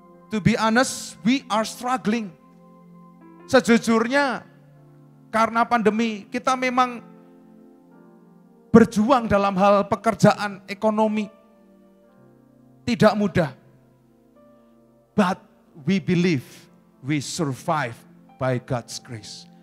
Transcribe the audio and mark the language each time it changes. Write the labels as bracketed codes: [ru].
[en] To be honest, we are struggling. [id] Sejujurnya, karena pandemi, kita memang berjuang dalam hal pekerjaan ekonomi. Tidak mudah. [en] But we believe we survive by God's grace.